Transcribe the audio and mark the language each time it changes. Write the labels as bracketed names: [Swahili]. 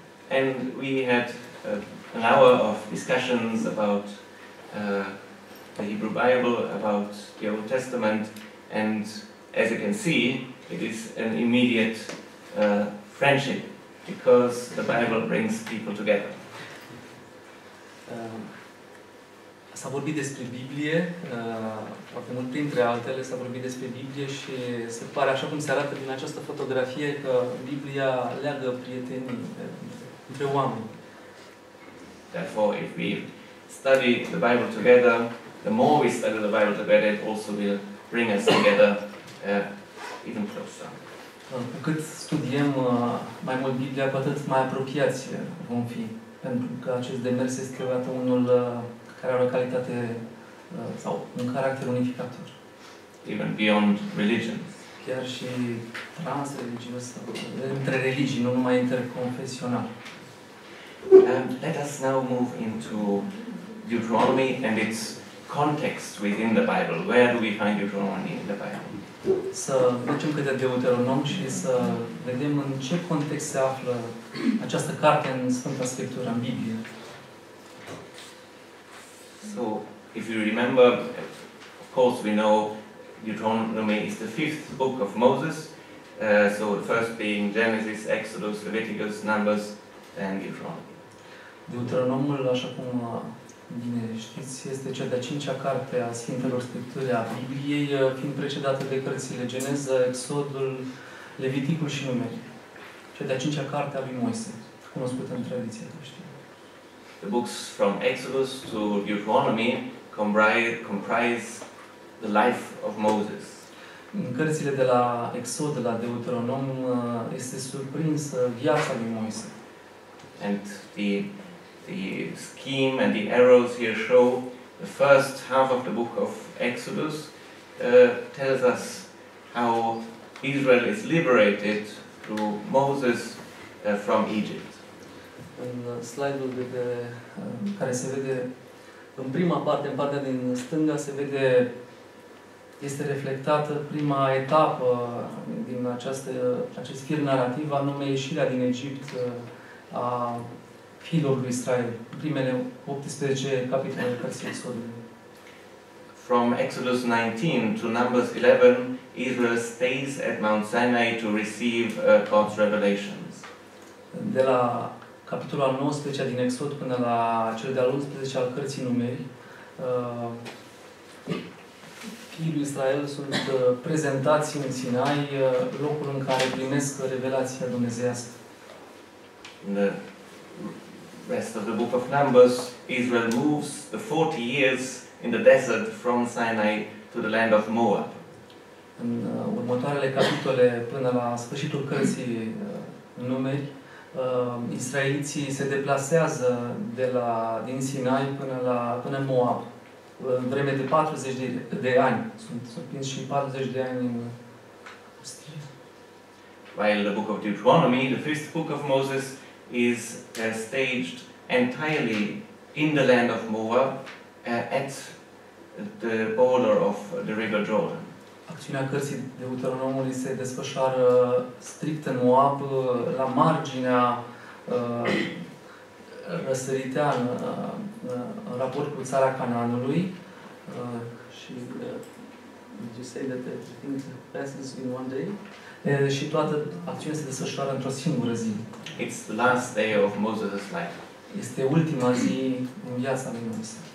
[English] And we had an hour of discussions about the Hebrew Bible, about the Old Testament, and as you can see, it is an immediate friendship, because the Bible brings people together. [Romanian] S-a vorbit despre Biblie, foarte mult printre altele, s-a vorbit despre Biblie și se pare, așa cum se arată din această fotografie, că Biblia leagă prietenii între oameni. [English] Therefore, if we study the Bible together, the more we study the Bible together, it also will bring us together even closer. [Romanian] Cu cât studiem mai mult Biblia, cu atât mai apropiați vom fi. Pentru că acest demers este odată unul care are o calitate sau un caracter unificator. [English] Even beyond religions. [Romanian] Chiar și transreligios, între religii, nu numai interconfesional. [English] Let us now move into Deuteronomy and its context within the Bible. Where do we find Deuteronomy in the Bible? [Romanian] Să mergem către Deuteronom și să vedem în ce context se află această carte în Sfânta Scriptură, în Biblie. [English] So, if you remember, of course we know Deuteronomy is the fifth book of Moses. So the first being Genesis, Exodus, Leviticus, Numbers, and Deuteronomy. [Romanian] Deuteronomul, așa cum bine știți, este cea de-a cincea carte a Sfintelor Scripturii a Bibliei, fiind precedată de cărțile Geneza, Exodul, Leviticul și Numeri. Cea de-a cincea carte a lui Moise, cunoscută în tradiție creștină. [English] The books from Exodus to Deuteronomy comprise the life of Moses. [Romanian] În cărțile de la Exod la Deuteronom este surprinsă viața lui Moise. [English] And the scheme and the arrows here show the first half of the book of Exodus tells us how Israel is liberated through Moses from Egypt. [Romanian] În slide-ul de pe, care se vede în prima parte, în partea din stânga, se vede, este reflectată prima etapă din acest fir narrativ, anume ieșirea din Egipt a fiilor lui Israel, primele 18 capitole cărții Exodului. [English] From Exodus 19 to Numbers 11, Israel stays at Mount Sinai to receive God's revelations. [Romanian] De la capitolul al 19-a din Exod până la cel de-al 11 al cărții Numeri, fiii lui Israel sunt prezentați în Sinai, locul în care primesc revelația dumnezeiască. [English] The rest of the book of Numbers, Israel moves 40 years in the desert from Sinai to the land of Moab. [Romanian] În următoarele capitole până la sfârșitul cărții Numeri, israeliții se deplasează de la din Sinai până la până Moab. În vreme de 40 de ani sunt surprins și 40 de ani în pustie. [English] While the book of Deuteronomy, the first book of Moses, is staged entirely in the land of Moab at the border of the river Jordan. [Romanian] Acțiunea cărții Deuteronomului se desfășoară strict în Moab, la marginea răsăriteană, în raport cu țara Canaanului. Și [English] did you say that everything passes in one day? [Romanian] Și toată acțiunea se desfășoară într-o singură zi. [English] It's the last day of Moses' life. [Romanian] Este ultima zi în viața lui Moise.